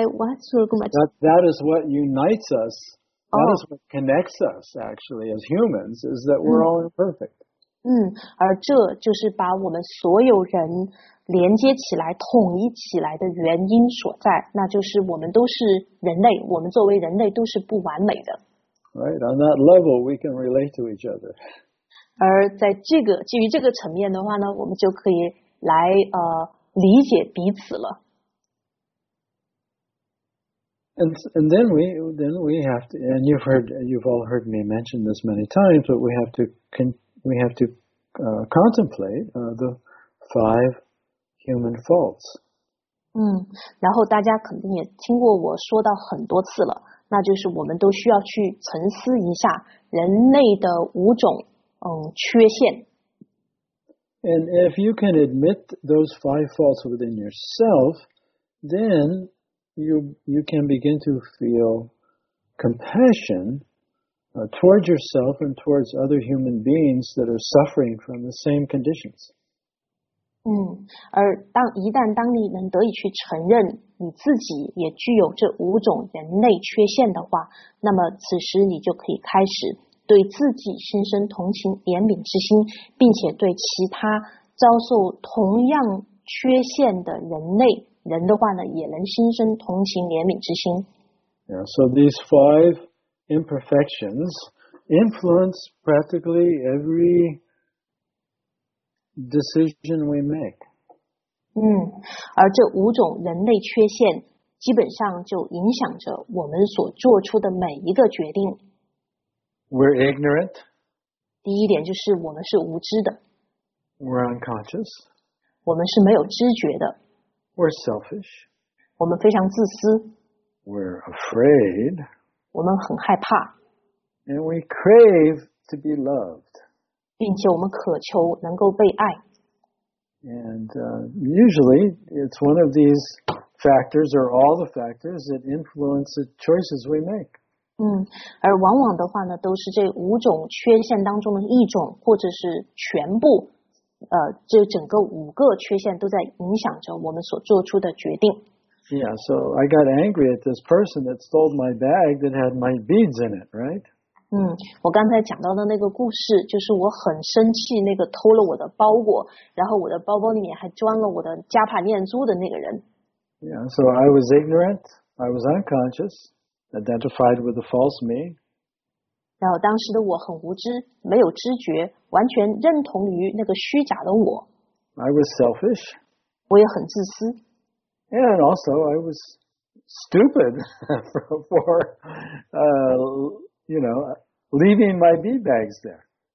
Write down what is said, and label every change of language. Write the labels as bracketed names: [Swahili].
[English] That is what unites us. That is what connects us, actually, as humans, is that we're all imperfect. [Chinese] 而这就是把我们所有人连接起来、统一起来的原因所在，那就是我们都是人类，我们作为人类都是不完美的。 [English] Right, on that level, we can relate to each other. [Chinese] 而在这个基于这个层面的话呢，我们就可以来理解彼此了。 [English] And then we have to, and you've all heard me mention this many times, but we have to contemplate the five human faults. [Chinese] 然后大家肯定也听过我说到很多次了，那就是我们都需要去沉思一下人类的五种缺陷。 [English] And if you can admit those five faults within yourself, then you can begin to feel compassion towards yourself and towards other human beings that are suffering from the same conditions. [Chinese] 而当你能得以去承认你自己也具有这五种人类缺陷的话，那么此时你就可以开始对自己心生同情、怜悯之心，并且对其他遭受同样缺陷的人类人的话呢，也能心生同情、怜悯之心。 [English] Yeah, so these five imperfections influence practically every decision we make. [Chinese] 而这五种人类缺陷，基本上就影响着我们所做出的每一个决定。 [English] We're ignorant. [Chinese] 第一点就是我们是无知的， [English] We're unconscious. [Chinese] 我们是没有知觉的， [English] We're selfish. [Chinese] 我们非常自私， [English] We're afraid. [Chinese] 我们很害怕， [English] And we crave to be loved. [Chinese] 并且我们渴求能够被爱。 [English] And usually it's one of these factors or all the factors that influence the choices we make. [Chinese] 而往往的话呢，都是这五种缺陷当中的一种，或者是全部，这整个五个缺陷都在影响着我们所做出的决定。 [English] Yeah, so I got angry at this person that stole my bag that had my beads in it, right? [Chinese] 我刚才讲到的那个故事，就是我很生气那个偷了我的包裹，然后我的包包里面还装了我的加帕念珠的那个人。 [English] Yeah, so I was ignorant, I was unconscious, identified with the false me. [Chinese] 然后当时的我很无知，没有知觉，完全认同于那个虚假的我。 [English] I was selfish. [Chinese] 我也很自私。 [English] And also, I was stupid for, leaving my bee bags there.